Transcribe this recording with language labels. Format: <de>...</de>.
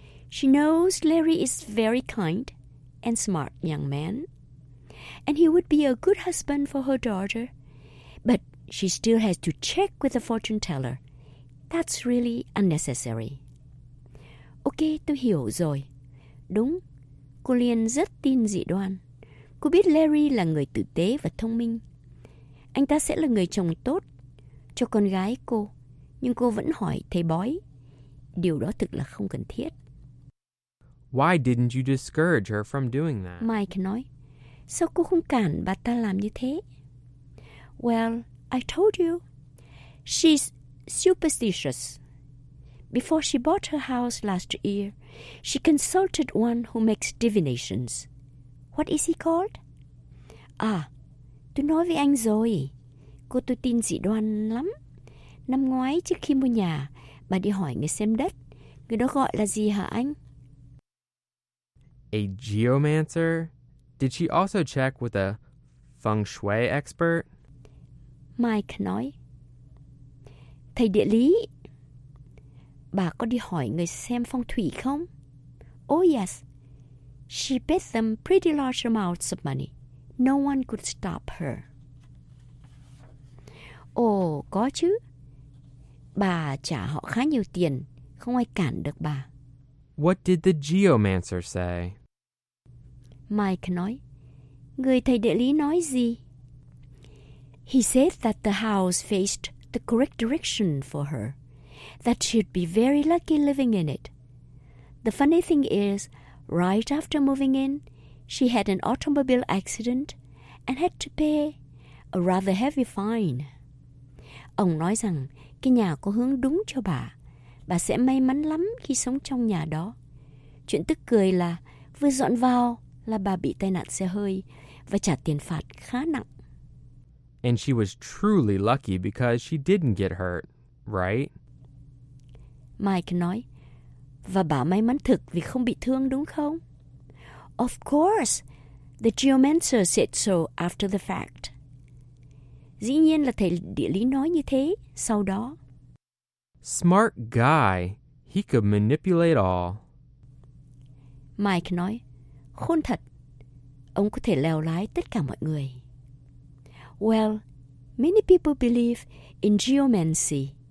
<en>She knows Larry is very kind and smart young man. And he would be a good husband for her daughter. But she still has to check with the fortune teller. That's really unnecessary. Ok,</en> <vi>tôi hiểu rồi. Đúng, cô Liên rất tin dị đoan. Cô biết Larry là người tử tế và thông minh. Anh ta sẽ là người chồng tốt cho con gái cô. Nhưng cô vẫn hỏi thầy bói. Điều đó thực là không cần thiết.</vi> <en>Why didn't you discourage her from doing that?</en> <vi>Mike nói, sao cô không cản bà ta làm như thế?</vi> <en>Well, I told you. She's superstitious. Before she bought her house last year, she consulted one who makes divinations. What is he called?</en> <vi>À, tôi nói với anh rồi. Cô tôi tin dị đoan lắm. Năm ngoái trước khi mua nhà, bà đi hỏi người xem đất. Người đó gọi là gì hả anh?</vi> <en>A geomancer? Did she also check with a feng shui expert?</en> <vi>Mike nói. Thầy địa lý, bà có đi hỏi người xem phong thủy không?</vi> <en>Oh yes. She paid them pretty large amounts of money. No one could stop her.</en> <vi>Oh, có chứ. Bà trả họ khá nhiều tiền, không ai cản được bà.</vi> <en>What did the geomancer say?</en> <vi>Mike nói, người thầy địa lý nói gì?</vi> <en>He said that the house faced the correct direction for her, that she'd be very lucky living in it. The funny thing is, right after moving in, she had an automobile accident and had to pay a rather heavy fine.</en> <vi>Ông nói rằng cái nhà có hướng đúng cho bà. Bà sẽ may mắn lắm khi sống trong nhà đó. Chuyện tức cười là vừa dọn vào là bà bị tai nạn xe hơi và trả tiền phạt khá nặng.</vi> <en>And she was truly lucky because she didn't get hurt, right?</en> <vi>Mike nói, và bà may mắn thực vì không bị thương đúng không?</vi> <en>Of course, the geomancer said so after the fact.</en> <vi>Dĩ nhiên là thầy địa lý nói như thế sau đó.</vi> <en>Smart guy, he could manipulate all.</en> <vi>Mike nói, khôn thật, ông có thể lèo lái tất cả mọi người.</vi> <en>Well, many people believe in geomancy.</en>